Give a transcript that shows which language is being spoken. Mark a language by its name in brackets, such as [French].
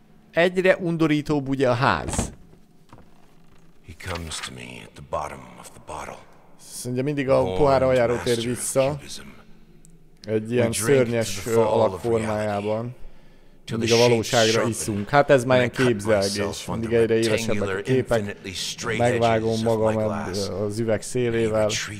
[Hungarian] Egyre undorítóbb ugye a ház. [English] He comes to me at the bottom of the bottle. [Hungarian] Szerintem mindig a pohár aljáról tér vissza. Egy ilyen szörnyes alakformájában. Mindig a valóságra iszunk. Hát ez már ilyen képzelgés. Mindig egyre élesebbek a képek. Megvágom magam az üveg szélével.